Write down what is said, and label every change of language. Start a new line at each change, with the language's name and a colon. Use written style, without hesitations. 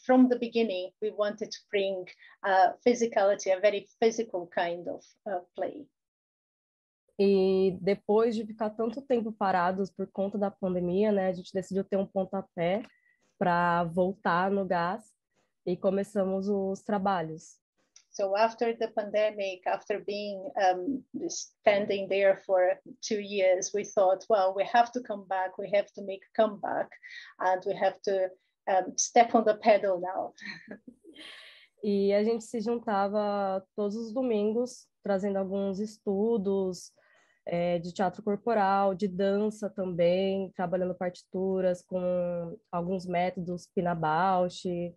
English: From the beginning, we wanted to bring physicality, a very physical kind of play.
Portuguese: E depois de ficar tanto tempo parados por conta da pandemia, né, a gente decidiu ter um pontapé para voltar no gás e começamos os trabalhos.
English: So after the pandemic, after being standing there for 2 years, we thought, well, we have to come back, we have to make a comeback, and we have to step on the pedal now.
Portuguese: E a gente se juntava todos os domingos, trazendo alguns estudos de teatro corporal, de dança também, trabalhando partituras com alguns métodos, Pina Bausch.